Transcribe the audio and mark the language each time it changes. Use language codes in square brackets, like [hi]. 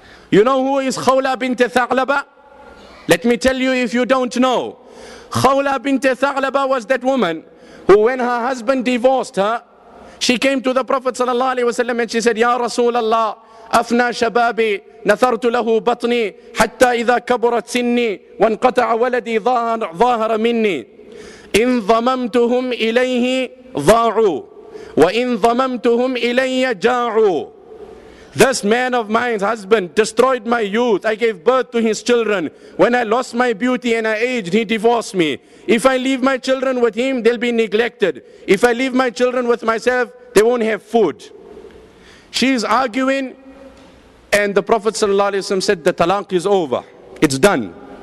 [en] You know who is Khawla bint Thaqlaba? Let me tell you if you don't know. Khawla bint Thaqlaba was that woman who when her husband divorced her, she came to the Prophet sallallahu alaihi wasallam and she said, Ya Rasulallah, [ar] afna shababi. نثرت له بطني حتى إذا كبرت سني وانقطع ولدي ظاهر مني إن ضممتهم إليه ضاعوا وإن ضممتهم إلي جاعوا [en] This man of mine's husband destroyed my youth. I gave birth to his children. When I lost my beauty and I aged, he divorced me. If I leave my children with him, they'll be neglected. If I leave my children with myself, they won't have food. She's arguing. And the Prophet ﷺ said, the talaq is over. It's done.